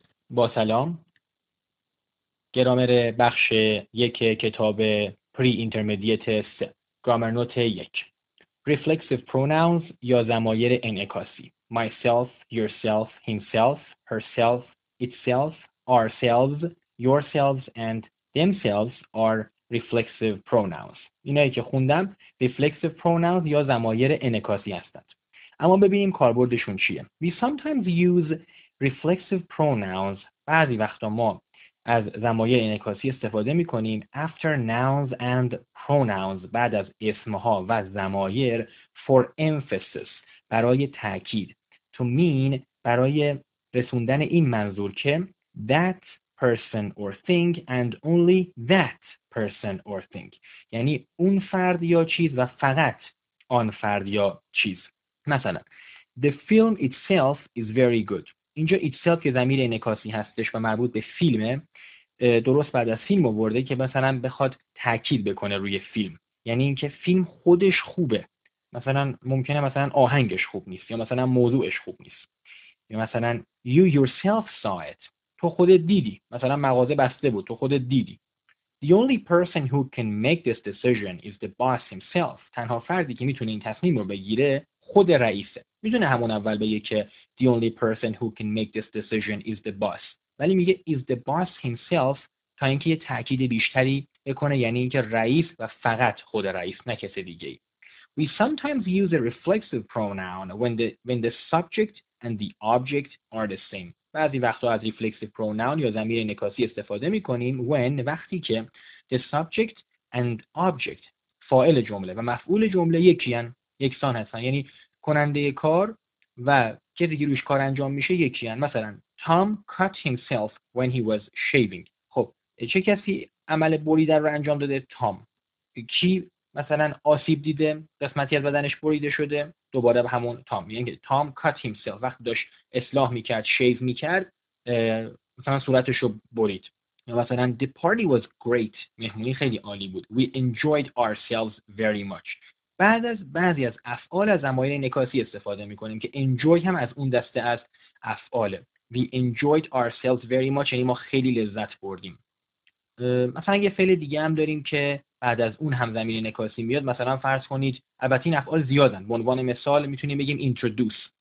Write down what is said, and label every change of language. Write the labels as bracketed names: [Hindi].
[Persian] با سلام، گرامر بخش یک کتاب پری اینترمدیت است، گرامر نوت یک، ریفلکسیو پروناونز یا ضمایر انعکاسی، [English] myself، yourself، himself، herself، itself، ourselves، yourselves and themselves are reflexive pronouns. [Persian] اینایی که خوندم reflexive pronouns یا ضمایر انعکاسی هستند. اما ببینیم کاربردشون چیه. [English] We sometimes use reflexive pronouns. [Persian] بعضی وقتا ما از ضمایر انعکاسی استفاده می‌کنیم [English] after nouns and pronouns، [Persian] بعد از اسم‌ها و ضمایر، [English] for emphasis، [Persian] برای تاکید، to mean، برای رسوندن این منظور که [English] that person or thing [Persian] and only that person or thing، یعنی اون فرد یا چیز و فقط آن فرد یا چیز. [English] مثلا the film itself is very good. [Persian] اینجا itself که ضمیر انعکاسی هستش و مربوط به فیلمه، درست بعد از فیلم آورده که مثلا بخواد تاکید بکنه روی فیلم، یعنی اینکه فیلم خودش خوبه. مثلا ممکنه مثلا آهنگش خوب نیست، یا مثلا موضوعش خوب نیست، یا مثلا [English] you yourself saw it، [Persian] تو خودت دیدی، مثلا مغازه بسته بود، تو خودت دیدی. [English] The only person who can make this decision is the boss himself. [Persian] تنها فردی که میتونه این تصمیم رو بگیره خود رئیسه. میدونه همون اول بگه که [English] the only person who can make this decision is the boss، [Persian] ولی میگه [English] is the boss himself [Persian] تا اینکه یه تاکید بیشتری بکنه، یعنی اینکه رئیس و فقط خود رئیس، نه کسی دیگه. [English] We sometimes use a reflexive pronoun when the subject and the object are the same. [Persian] بعضی وقتا از reflexive pronoun یا ضمیر انعکاسی استفاده میکنیم when، وقتی که [English] the subject and object، [Persian] فاعل جمله و مفعول جمله یکیان، یکسان هستن، یعنی کننده کار و کسی که روش کار انجام میشه یکیان. [English] مثلا Tom cut himself when he was shaving. [Persian] خب چه کسی عمل بریدن رو انجام داده؟ Tom. کی مثلا آسیب دیده، قسمتی از بدنش بریده شده؟ دوباره به همون تام، یعنی تام کات هیمسلف، وقتی داشت اصلاح میکرد، شیو میکرد، مثلا صورتش رو برید. [English] یا مثلا the party was great، [Persian] مهمونی خیلی عالی بود، [English] we enjoyed ourselves very much. [Persian] بعد از بعضی از افعال از ضمایر انعکاسی استفاده میکنیم که enjoy هم از اون دسته از افعاله. [English] we enjoyed ourselves very much، [Persian] یعنی ما خیلی لذت بردیم. مثلا یه فعل دیگه هم داریم که بعد از اون هم ضمیر انعکاسی میاد، مثلا فرض کنید، البته این افعال زیادن، به عنوان مثال میتونیم بگیم introduce.